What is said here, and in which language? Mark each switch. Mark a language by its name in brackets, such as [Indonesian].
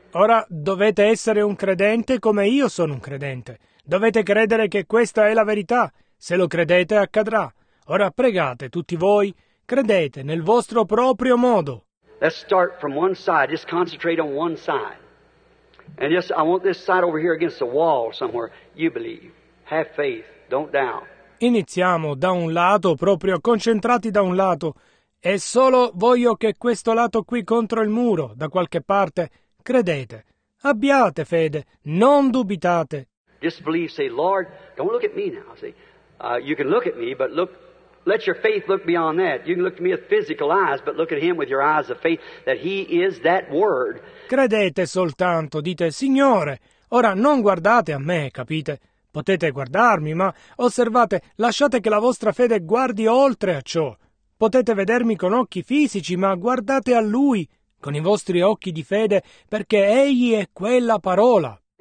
[Italian] Ora dovete essere un credente come io sono un credente. Dovete credere che questa è la verità. Se lo credete, accadrà. Ora pregate tutti voi, credete nel vostro proprio modo. [English] Let's start from one side. Just concentrate on one side. And just, I want this side over here against the wall somewhere. You believe. Have faith. Don't doubt. [Italian] Iniziamo da un lato, proprio concentrati da un lato. E solo voglio che questo lato qui contro il muro, da qualche parte, credete. Abbiate fede, non dubitate. [English] Just believe, say, Lord, don't look at me now, see. You can look at me, but look, let your faith look beyond that. You can look at me with physical eyes, but look at him with your eyes of faith, that he is that word. [Italian] Credete soltanto, dite, Signore, ora non guardate a me, capite? Potete guardarmi, ma osservate, lasciate che la vostra fede guardi oltre a ciò. Potete vedermi con occhi fisici, ma guardate a Lui con i vostri occhi di fede, perché Egli è quella parola.